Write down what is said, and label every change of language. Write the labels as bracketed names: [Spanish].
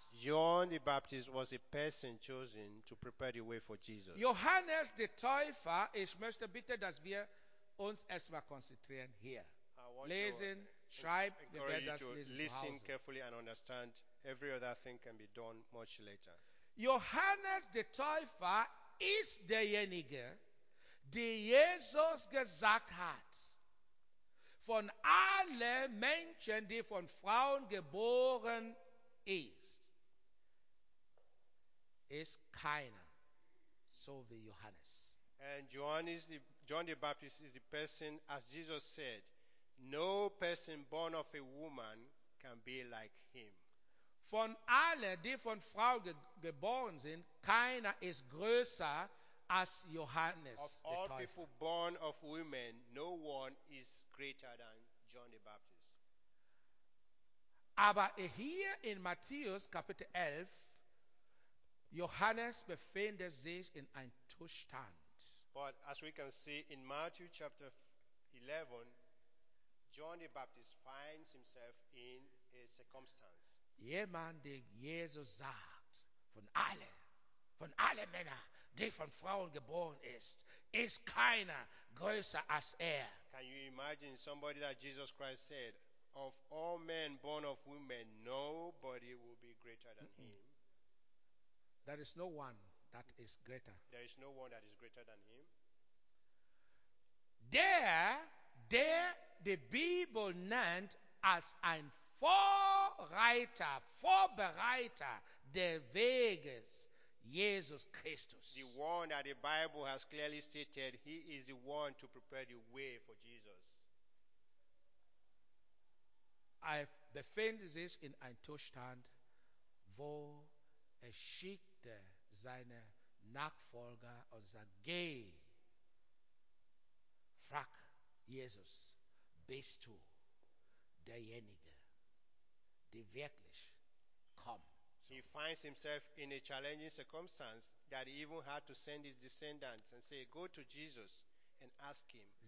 [English] John the Baptist was a person chosen to prepare the way for Jesus. [German] Johannes der Täufer, ich möchte bitte, dass wir uns erstmal konzentrieren hier. Lesen, schreiben, wir werden das lesen. [English] Listen carefully and understand. Every other thing can be done much later. [German] Johannes der Täufer ist derjenige, der Jesus gesagt hat, von allen Menschen, die von Frauen geboren ist, ist keiner so wie Johannes. [English] And John the Baptist is the person, as Jesus said, no person born of a woman can be like him. [German] Von allen, die von Frauen geboren sind, keiner ist größer als Johannes. [English] Of all people born of women, no one is greater than John the Baptist. [German] Aber hier in Matthäus Kapitel 11, Johannes befindet sich in einem Zustand. [English] But as we can see in Matthew chapter 11, John the Baptist finds himself in a circumstance. [German] Jemand, der Jesus sagt, von allen Männern, die von Frauen geboren ist, ist keiner größer als er. [English] Can you imagine somebody that Jesus Christ said, of all men born of women, nobody will be greater than him? There is no one that is greater. There is no one that is greater than him. [German] Der die Bibel nennt als ein Vorbereiter des Weges, Jesus Christus. [English] The one that the Bible has clearly stated, he is the one to prepare the way for Jesus. [German] I befinde sich in einem Zustand, wo schickt seine Nachfolger und sagt, geh, frag Jesus, bist du derjenige, die wirklich kommt? [English] He finds himself in a challenging circumstance that he even had to send his descendants and say, go to Jesus and ask him.